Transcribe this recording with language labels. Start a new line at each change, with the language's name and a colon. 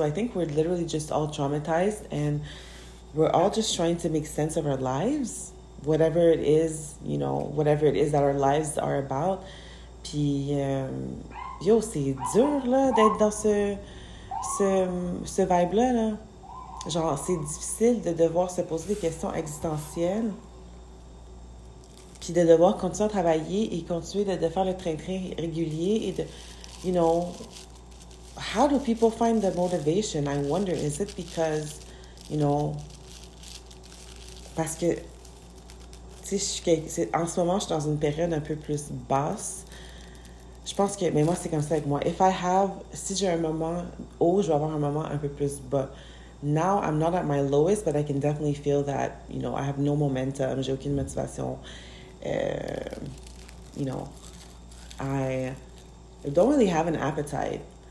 English: So I think we're literally just all traumatized and we're all just trying to make sense of our lives, whatever it is, you know, whatever it is that our lives are about.
French: Puis, yo, c'est dur, là, d'être dans ce vibe-là, là. Genre, c'est difficile de devoir se poser des questions existentielles puis de devoir continuer à travailler et continuer de faire le train-train régulier et de,
English: you know, how do people find the motivation? I wonder, is it because, you know,
French: parce que, tu sais, en ce moment, je suis dans une période un peu plus basse. Je pense que, mais moi, c'est comme ça avec moi.
English: If I have,
French: si j'ai un moment haut, je vais avoir un moment un peu plus bas.
English: Now, I'm not at my lowest, but I can definitely feel that, you know, I have no momentum,
French: j'ai aucune motivation.
English: you know, I don't really have an appetite.